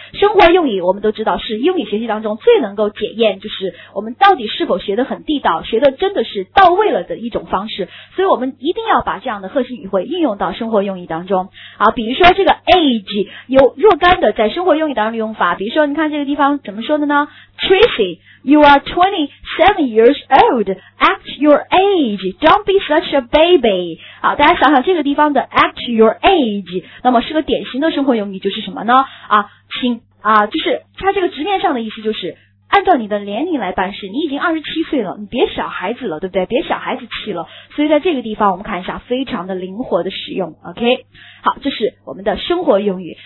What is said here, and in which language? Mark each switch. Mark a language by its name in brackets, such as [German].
[Chinese] 生活用语我们都知道是英语学习当中最能够检验就是我们到底是否学得很地道，学得真的是到位了的一种方式。所以我们一定要把这样的核心语汇应用到生活用语当中啊。比如说这个 age 有若干的在生活用语当中用法，比如说你看这个地方怎么说的呢？ [English] Tracy you are 27 years old， act your age， don't be such a baby。 [Chinese] 好，大家想想这个地方的 [English] act your age， [Chinese] 那么是个典型的生活用语，就是什么呢啊，请啊，就是它这个直面上的意思就是按照你的年龄来办事，你已经27岁了，你别小孩子了，对不对？别小孩子气了。所以在这个地方我们看一下非常的灵活的使用。OK， 好，这是我们的生活用语。